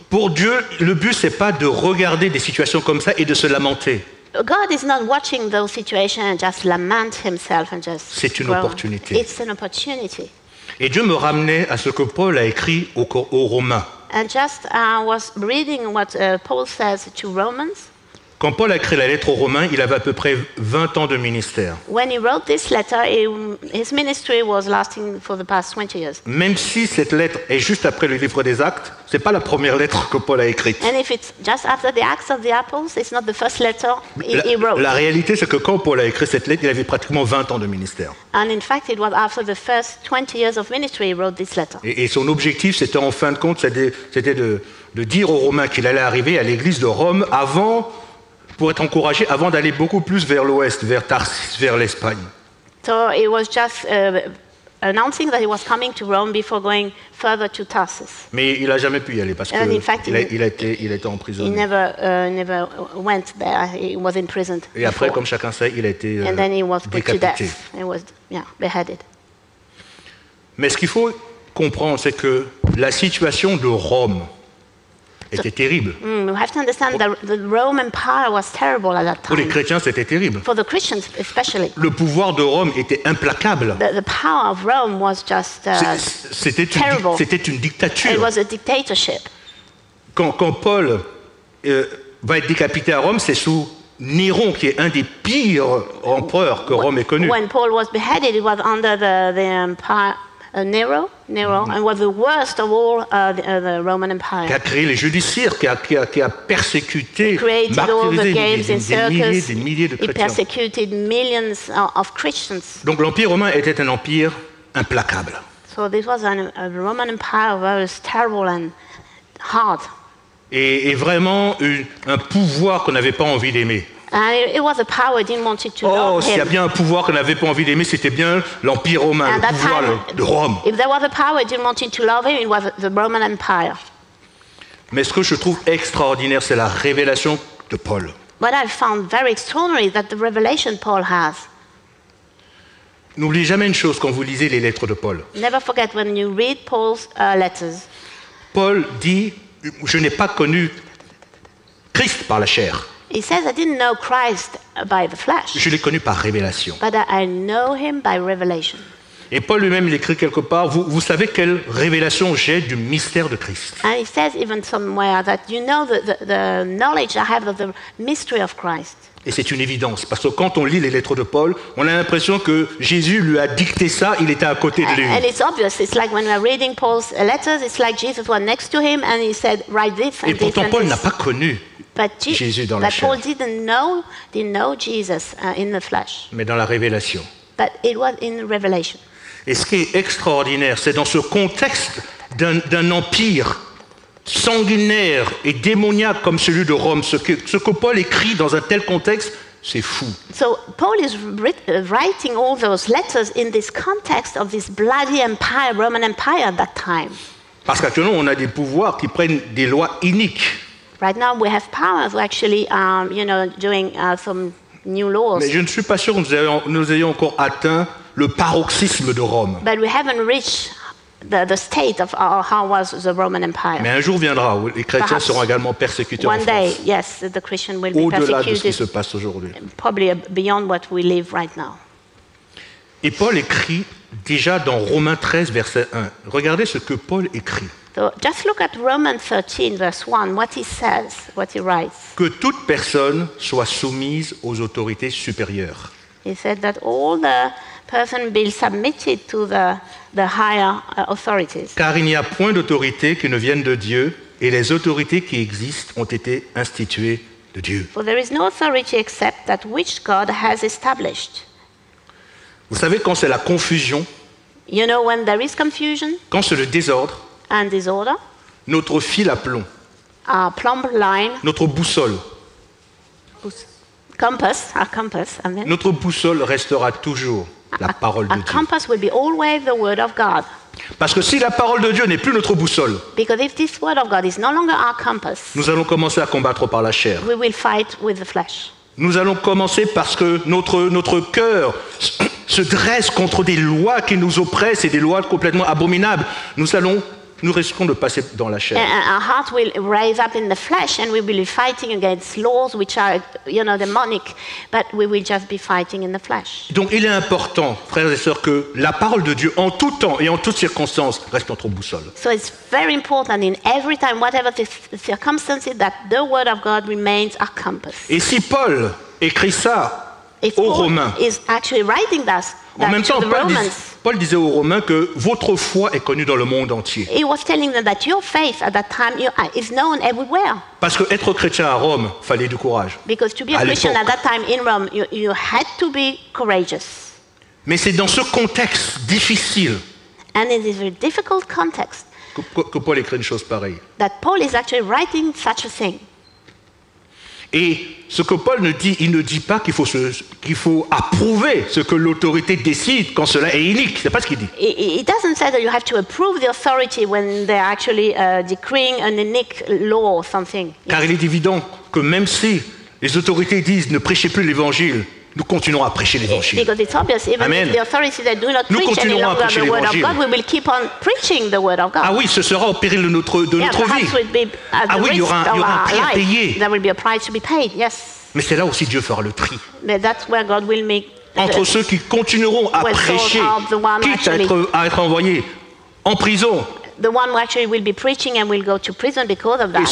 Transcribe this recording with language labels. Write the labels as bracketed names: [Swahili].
[French] Pour Dieu, le but c'est pas de regarder des situations comme ça et de se lamenter. [English] God is not watching those situations and just lament himself and just. [French] C'est une opportunité. [English] It's an opportunity. [French] Et Dieu me ramenait à ce que Paul a écrit aux Romains. [English] And just I was reading what Paul says to Romans. [French] Quand Paul a écrit la lettre aux Romains, il avait à peu près 20 ans de ministère. [English] When he wrote this letter, his ministry was lasting for the past 20 years. [French] Même si cette lettre est juste après le livre des Actes, c'est pas la première lettre que Paul a écrite. [English] And if it's just after the Acts of the Apostles, it's not the first letter he wrote. [French] La réalité, c'est que quand Paul a écrit cette lettre, il avait pratiquement 20 ans de ministère. [English] And in fact, it was after the first 20 years of ministry he wrote this letter. [French] Et son objectif, c'était en fin de compte, c'était de dire aux Romains qu'il allait arriver à l'église de Rome avant. Pour être encouragé avant d'aller beaucoup plus vers l'ouest, vers Tarsis, vers l'Espagne. [English] So he was just announcing that he was coming to Rome before going further to Tarsis. [French] Mais il a jamais pu y aller parce [English] and [French] que [English] fact, [French] il a été emprisonné. [English] He never went there. He was imprisoned. [French] Et après, [English] before. [French] Comme chacun sait, il a été [English] and then he was [French] décapité. [English] Put to death. He was, beheaded. [French] Mais ce qu'il faut comprendre, c'est que la situation de Rome. Était terrible. [English] We have to understand that the Roman Empire was terrible at that time. [French] Pour les chrétiens, c'était terrible. [English] For the Christians, especially. [French] Le pouvoir de Rome était implacable. [English] The power of Rome was just [French] c'était terrible. C'était une dictature. [English] It was a dictatorship. [French] Quand Paul va être décapité à Rome, c'est sous Néron, qui est un des pires empereurs que Rome ait connu. [English] When Paul was beheaded, it was under the empire. Nero, and was the worst of all the Roman Empire. [French] Qui a créé les jeux du cirque, qui a persécuté, martyrisé des milliers de chrétiens. [English] He persecuted millions of Christians. [French] Donc l'Empire romain était un empire implacable. [English] So this was a Roman Empire that was terrible and hard. [French] Et vraiment un pouvoir qu'on n'avait pas envie d'aimer. [English] And it was a power I didn't want it to oh, love him. [French] S'il y a bien un pouvoir qu'on n'avait pas envie d'aimer, c'était bien l'Empire romain, [English] and [French] le pouvoir [English] time, [French] de Rome. [English] If there was a power I didn't want it to love him, it was the Roman Empire. [French] Mais ce que je trouve extraordinaire, c'est la révélation de Paul. [English] What I found very extraordinary is that the revelation Paul has. [French] N'oubliez jamais une chose quand vous lisez les lettres de Paul. [English] Never forget when you read Paul's letters. [French] Paul dit, je n'ai pas connu Christ par la chair. [English] He says, I didn't know Christ by the flesh. [French] Je l'ai connu par révélation. [English] But I know him by revelation. [French] Et Paul lui-même, il écrit quelque part, vous savez quelle révélation j'ai du mystère de Christ. [English] And he says even somewhere that you know the knowledge I have of the mystery of Christ. [French] Et c'est une évidence, parce que quand on lit les lettres de Paul, on a l'impression que Jésus lui a dicté ça, il était à côté de lui. [English] And it's obvious, it's like when we're reading Paul's letters, it's like Jesus was next to him and he said, write this and this. [French] Et pourtant, Paul n'a pas connu Jésus dans la chair. [English] But Paul didn't know Jesus in the flesh. [French] Mais dans la révélation. [English] But it was in the revelation. [French] Et ce qui est extraordinaire, c'est dans ce contexte d'un empire sanguinaire et démoniaque comme celui de Rome. Ce que Paul écrit dans un tel contexte, c'est fou. [English] So Paul is writing all those letters in this context of this bloody empire, Roman Empire at that time. [French] Parce qu'actuellement, on a des pouvoirs qui prennent des lois iniques. [English] Right now, we have powers who actually, doing some new laws. [French] Mais je ne suis pas sûr que nous ayons encore atteint le paroxysme de Rome. [English] But we haven't reached. The state of how was the Roman Empire. [French] Mais un jour viendra où les chrétiens [English] perhaps [French] seront également persécutés [English] one [French] en France. [English] Day, yes, the Christian will be [French] au-delà [English] persecuted, [French] de ce qui se passe aujourd'hui. [English] Probably beyond what we live right now. [French] Et Paul écrit déjà dans Romains 13, verset 1. Regardez ce que Paul écrit. [English] So just look at Romans 13, verse 1, what he says, what he writes. [French] Que toute personne soit soumise aux autorités supérieures. [English] He said that all the person be submitted to the higher authorities. [French] Car il n'y a point d'autorité qui ne vienne de Dieu, et les autorités qui existent ont été instituées de Dieu. [English] For there is no authority except that which God has established. [French] Vous savez quand c'est la confusion? [English] You know when there is confusion? [French] Quand c'est le désordre? [English] And disorder. [French] Notre fil à plomb. [English] Our plumb line. [French] Notre boussole. [English] Compass, our compass. Amen. [French] Notre boussole restera toujours la parole de Dieu. [English] Our compass will be always the word of God. [French] Parce que si la parole de Dieu n'est plus notre boussole, [English] because if this word of God is no longer our compass, [French] nous allons commencer à combattre par la chair. [English] We will fight with the flesh. [French] Nous allons commencer parce que notre cœur se dresse contre des lois qui nous oppressent et des lois complètement abominables. Nous risquons de passer dans la chair. [English] And our heart will rise up in the flesh and we will be fighting against laws which are, you know, demonic, but we will just be fighting in the flesh. [French] Donc il est important, frères et sœurs, que la parole de Dieu en tout temps et en toutes circonstances reste notre boussole. [English] So it's very important in every time, whatever the circumstances, that the word of God remains our compass. [French] Et si Paul écrit ça [English] if [French] aux [English] Paul [French] Romains, [English] is actually writing that, [French] en même temps, Paul disait aux Romains que votre foi est connue dans le monde entier. [English] He was telling them that your faith at that time is known everywhere. [French] Parce que être chrétien à Rome, fallait du courage. [English] Because to be a Christian at that time in Rome, you had to be courageous. [French] Mais c'est dans ce contexte difficile. [English] And in this very difficult context. [French] Que Paul écrit une chose pareille. [English] That Paul is actually writing such a thing. [French] Et ce que Paul ne dit, il ne dit pas qu'il faut approuver ce que l'autorité décide quand cela est illique. C'est pas ce qu'il dit. [English] He doesn't say that you have to approve the authority when they're actually decreeing an unique law or something. [French] Car il est évident que même si les autorités disent ne prêchez plus l'évangile, nous continuerons à prêcher l'évangile. [English] Because it's obvious, even amen. If the authorities that do not [French] nous [English] preach any longer the word of God, we will keep on preaching the word of God. [French] Ah oui, ce sera au péril de notre vie. Ah oui, il y aura un prix à payer. [English] There will be a price to be paid. Yes. [French] Mais c'est là aussi Dieu fera le tri. [English] But that's where God will make [French] entre ceux qui continueront à prêcher, quitte à être envoyés en prison. [English] The one who actually will be preaching and will go to prison because of that.